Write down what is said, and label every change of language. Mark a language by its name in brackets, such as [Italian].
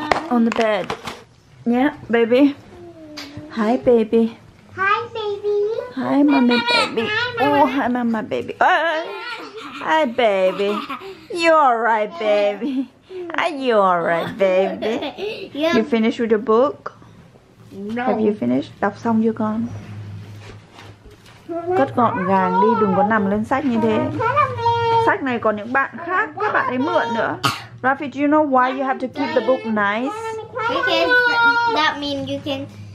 [English] On the bed. Yeah, baby. Hi, baby. Hi, baby. Hi, mommy, baby. Hi, mama. Oh, hi, mama, baby. Hi, baby. You're all right, baby. Are you all right, baby? Yeah. You finished with the book? No. Have you finished? [Vietnamese] Đọc xong chưa con? Cất gọn gàng đi, đừng có nằm lên sách như thế. Sách này còn những bạn khác, các bạn ấy mượn nữa. [English] Rafi, do you know why you have to keep the book nice? Because that means you can...